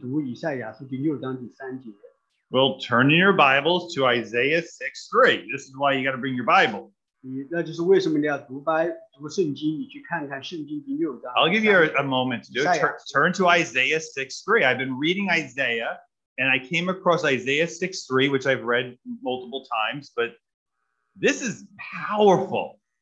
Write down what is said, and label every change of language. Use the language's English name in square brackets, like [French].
[Chinese] 神在天上为众多的天使所环绕。你去读以赛亚书第六章第三节。 [English] Well, turn in your Bibles to Isaiah 6:3. This is why you got to bring your Bible. [Chinese] 那就是为什么你要读圣经，你去看看圣经第六章。 [English] I'll give you a moment to do it. Turn to Isaiah 6:3. I've been reading Isaiah, and I came across Isaiah 6:3, which I've read multiple times, but this is powerful.